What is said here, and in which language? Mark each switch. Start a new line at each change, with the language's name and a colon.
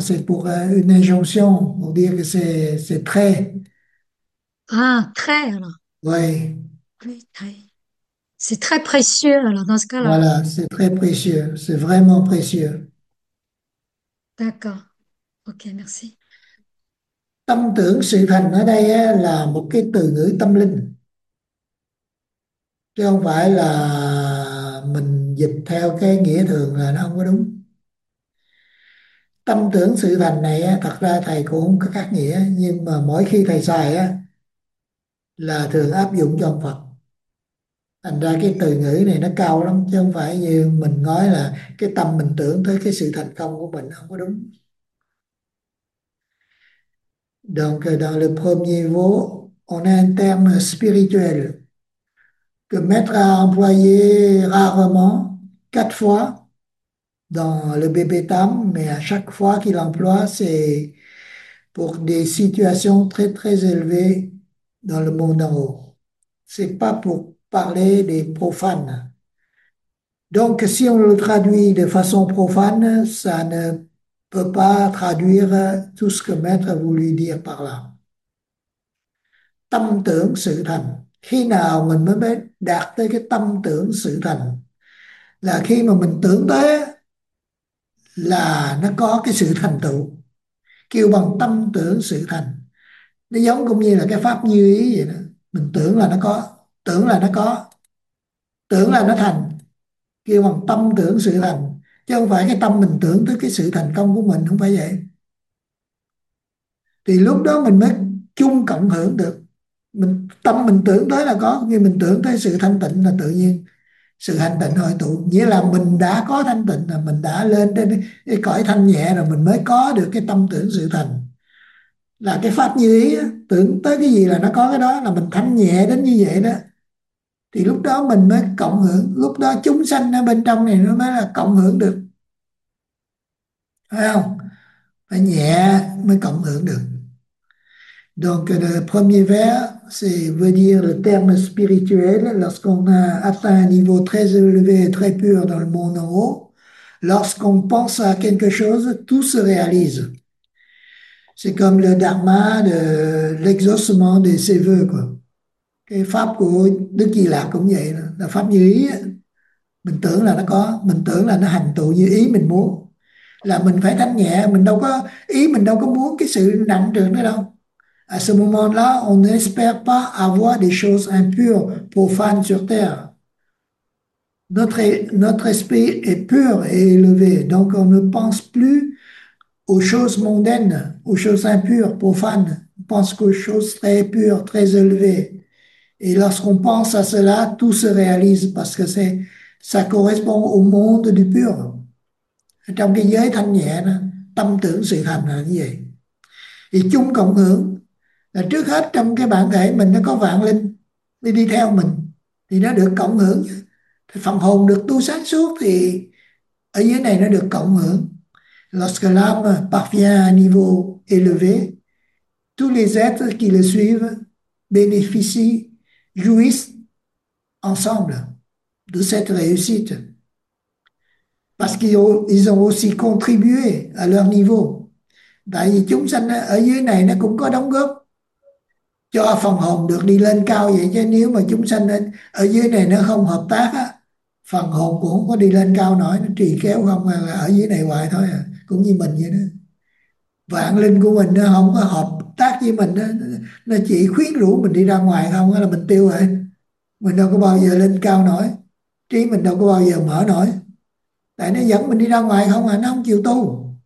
French: C'est pour une injonction, pour dire que c'est très. Ah, très, alors. Oui. Oui, thầy. C'est très précieux, alors, dans ce cas-là. Voilà, c'est très précieux, c'est vraiment précieux. D'accord. Ok, merci.
Vietnamese: Tâm tưởng sự thành ở đây là một cái từ ngữ tâm linh. Chứ không phải là mình dịch theo cái nghĩa thường là nó không có đúng. Tâm tưởng sự thành này thật ra thầy cũng không có khác nghĩa, nhưng mà mỗi khi thầy xài là thường áp dụng cho ông Phật. Thành ra cái từ ngữ này nó cao lắm, chứ không phải như mình nói là cái tâm mình tưởng tới cái sự thành công của mình, không có đúng.
French: Donc, dans le premier niveau, on a un terme spirituel que Maître a employé rarement, 4 fois dans le BB-TAM, mais à chaque fois qu'il l'emploie, c'est pour des situations très très élevées dans le monde d'en haut. C'est pas pour parler des profanes. Donc, si on le traduit de façon profane, ça ne peut pas traduire tout ce que Maître voulait dire par là.
Vietnamese: Tâm tưởng sự thành. Khi nào mình mới đạt tới cái tâm tưởng sự thành, là khi mà mình tưởng tới là nó có cái sự thành tựu, kêu bằng tâm tưởng sự thành. Nó giống cũng như là cái pháp như ý vậy đó, mình tưởng là nó có, tưởng là nó có, tưởng là nó thành, kêu bằng tâm tưởng sự thành, chứ không phải cái tâm mình tưởng tới cái sự thành công của mình, không phải vậy. Thì lúc đó mình mới chung cộng hưởng được. Mình tâm mình tưởng tới là có, khi mình tưởng tới sự thanh tịnh là tự nhiên sự hành tịnh hội tụ, nghĩa là mình đã có thanh tịnh, là mình đã lên đến cái cõi thanh nhẹ rồi, mình mới có được cái tâm tưởng sự thành, là cái pháp như ý đó. Tưởng tới cái gì là nó có cái đó, là mình thanh nhẹ đến như vậy đó. Thì lúc đó mình mới cộng hưởng, lúc đó chúng sanh ở bên trong này nó mới là cộng hưởng được, phải không? Phải nhẹ mới cộng hưởng được.
French: Donc, le premier vers, c'est veut dire le terme spirituel lorsqu'on a atteint un niveau très élevé et très pur dans le monde en haut. Lorsqu'on pense à quelque chose, tout se réalise. C'est comme le dharma de l'exaucement de ses voeux, quoi.
Vietnamese: Cái pháp của Đức Di Lặc cũng vậy, là pháp như ý. Mình tưởng là nó có, mình tưởng là nó hành tựu như ý mình muốn, là mình phải thanh nhẹ. Mình đâu có ý, mình đâu có muốn cái sự nặng trĩu nữa đâu.
French: À ce moment-là, on n'espère pas avoir des choses impures, profanes sur terre. Notre esprit est pur et élevé, donc on ne pense plus aux choses mondaines, aux choses impures, profanes. On pense qu'aux choses très pures, très élevées. Et lorsqu'on pense à cela, tout se réalise parce que ça correspond au monde du pur.
Vietnamese: Trong cái giới thanh nhẹ, tâm tưởng sự thành là như vậy. Thì chung cộng hưởng là trước hết trong cái bản thể mình nó có vạn linh đi đi theo mình, thì nó được cộng hưởng. Thì phần hồn được tu sáng suốt thì ở dưới này nó được cộng hưởng.
French: Lorsque l'âme parvient à un niveau élevé, tous les êtres qui le suivent bénéficient, jouissent ensemble de cette réussite parce qu'ils ont aussi contribué à leur niveau.
Vietnamese: Tại vì chúng sanh ở dưới này nó cũng có đóng góp cho phần hồn được đi lên cao vậy, chứ nếu mà chúng sanh ở dưới này nó không hợp tác á, phần hồn cũng không có đi lên cao nổi, nó trì kéo không, là ở dưới này hoài thôi à. Cũng như mình vậy đó, vạn linh của mình nó không có hợp tác với mình đó, nó chỉ khuyến rũ mình đi ra ngoài không là mình tiêu rồi, mình đâu có bao giờ lên cao nổi, trí mình đâu có bao giờ mở nổi, tại nó dẫn mình đi ra ngoài không à, nó không chịu tu.